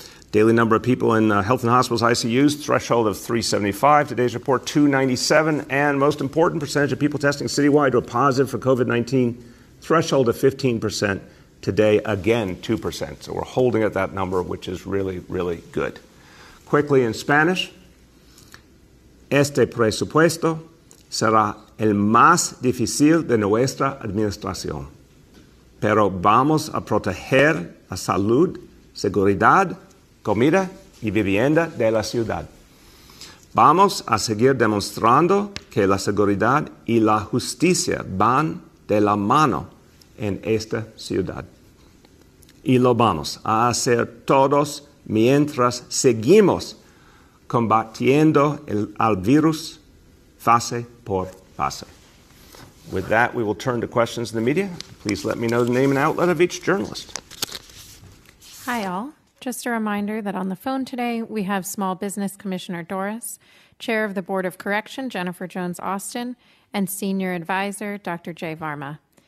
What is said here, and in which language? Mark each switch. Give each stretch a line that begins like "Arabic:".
English: Daily number of people in health and hospitals ICUs, threshold of 375. Today's report, 297. And most important, percentage of people testing citywide were positive for COVID-19, threshold of 15%. Today, again, 2%. So we're holding at that number, which is really, really good. Quickly in Spanish,
Spanish: este presupuesto será el más difícil de nuestra administración. Pero vamos a proteger la salud, seguridad, comida y vivienda de la ciudad. Vamos a seguir demostrando que la seguridad y la justicia van de la mano en esta ciudad. Y lo vamos a hacer todos mientras seguimos combatiendo al virus fase por fase.
English: With that, we will turn to questions in the media. Please let me know the name and outlet of each journalist. Hi, all. Just a reminder that on the phone today, we have Small Business Commissioner Doris, Chair of the Board of Correction, Jennifer Jones Austin, and Senior Advisor, Dr. Jay Varma.